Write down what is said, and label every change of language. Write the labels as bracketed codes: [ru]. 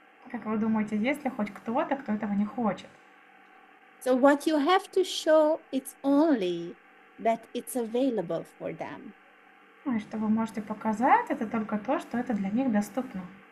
[ru] Как вы думаете, есть ли хоть кто-то, кто этого не хочет? [en] So what you have to show it's only that it's available for them. [ru] Ну и что вы можете показать, это только то, что это для них доступно.